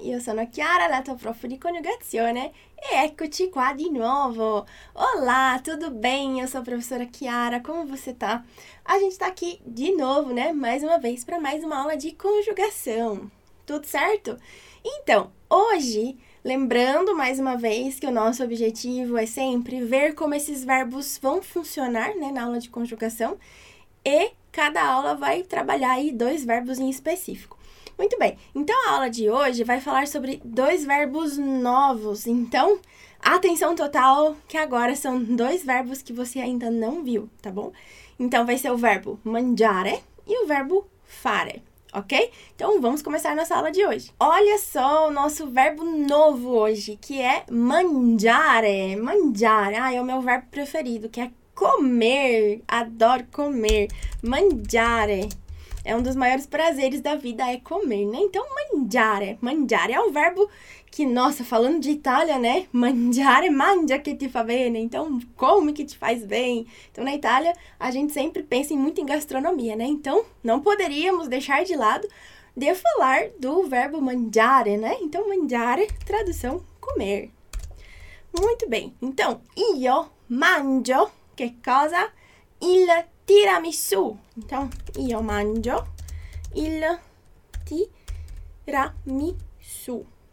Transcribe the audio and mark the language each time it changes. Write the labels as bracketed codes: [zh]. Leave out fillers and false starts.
[it] Io sono Chiara, la tua prof di coniugazione, e eccoci qua di nuovo. [pt] Olá, tudo bem? Eu sou a professora Chiara, como você tá? A gente tá aqui de novo, né? Mais uma vez para mais uma aula de conjugação. Tudo certo? Então, hoje, lembrando mais uma vez que o nosso objetivo é sempre ver como esses verbos vão funcionar, né, na aula de conjugação, e cada aula vai trabalhar aí dois verbos em específico. Muito bem, então a aula de hoje vai falar sobre dois verbos novos. Então, atenção total, que agora são dois verbos que você ainda não viu, tá bom? Então, vai ser o verbo mangiare e o verbo fare, ok? Então, vamos começar nossa aula de hoje. Olha só o nosso verbo novo hoje, que é mangiare. Mangiare, ah, é o meu verbo preferido, que é comer. Adoro comer. Mangiare. É um dos maiores prazeres da vida é comer, né? Então, mangiare. Mangiare é um verbo que, nossa, falando de Itália, né? [it] Mangiare, mangia che ti fa bene. [pt] Então, come que te faz bem. Então, na Itália, a gente sempre pensa muito em gastronomia, né? Então, não poderíamos deixar de lado de falar do verbo mangiare, né? Então, mangiare, tradução, comer. Muito bem. Então, [it] io mangio, che cosa? Il tiramisù. [pt] Então, [it] io mangio il tiramisù.